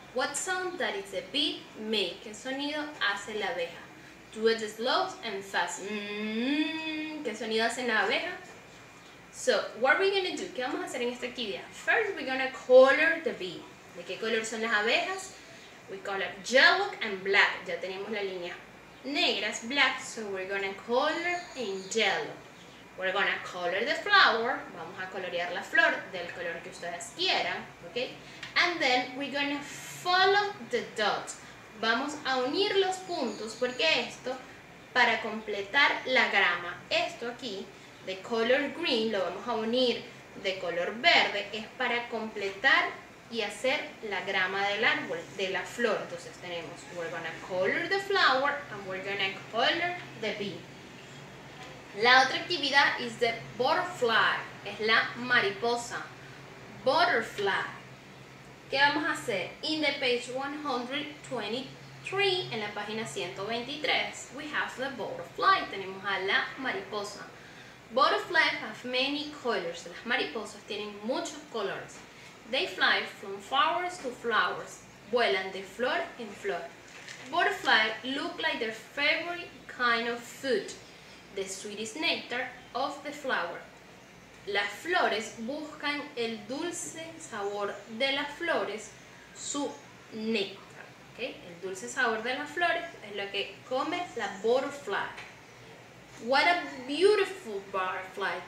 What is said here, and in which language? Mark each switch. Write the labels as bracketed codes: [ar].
[en] What sound that is the bee make? [es] ¿Qué sonido hace la abeja? Do it slow and fast. ¿Qué sonido hace la abeja? So, what are we going to do? ¿Qué vamos a hacer en esta actividad? [en] First, we're going to color the bee. [es] ¿De qué color son las abejas? [en] We color yellow and black. Ya tenemos la línea negras, black, so we're going to color in yellow. We're gonna color the flower. [es] Vamos a colorear la flor del color que ustedes quieran, ¿ok? And then we're gonna follow the dots. Vamos a unir los puntos porque esto, para completar la grama, esto aquí, de color green, lo vamos a unir de color verde, es para completar y hacer la grama del árbol, de la flor. [en] Entonces tenemos, we're gonna color the flower and we're gonna color the bee. [es] La otra actividad es the butterfly, es la mariposa. Butterfly. ¿Qué vamos a hacer? In the page 123, en la página 123, we have the butterfly, tenemos a la mariposa. Butterfly have many colors, las mariposas tienen muchos colores. [en] They fly from flowers to flowers, vuelan de flor en flor. Butterfly look like their favorite kind of food. The sweetest nectar of the flower. [es] Las flores buscan el dulce sabor de las flores, su néctar. ¿Okay? El dulce sabor de las flores es lo que come la butterfly. [en] What a beautiful butterfly.